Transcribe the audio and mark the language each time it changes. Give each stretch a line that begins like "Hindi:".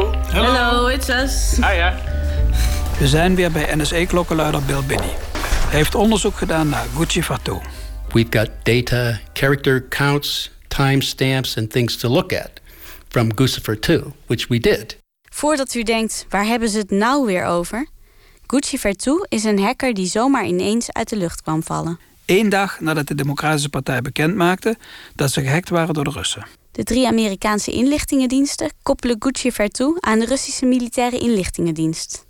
English: Hello, it's us. Hiya.
Dutch: We zijn weer bij NSA-klokkenluider Bill Binney. Hij heeft onderzoek gedaan naar Gucci Fatou.
English: We've got data, character counts, timestamps and things to look at from Guccifer 2, which we did.
Dutch: Voordat u denkt, waar hebben ze het nou weer over? Guccifer 2 is een hacker die zomaar ineens uit de lucht kwam vallen. 1 dag nadat de Democratische Partij bekend maakte dat ze gehackt waren door de Russen. De 3 Amerikaanse inlichtingendiensten koppelen Guccifer 2 aan de Russische militaire inlichtingendienst.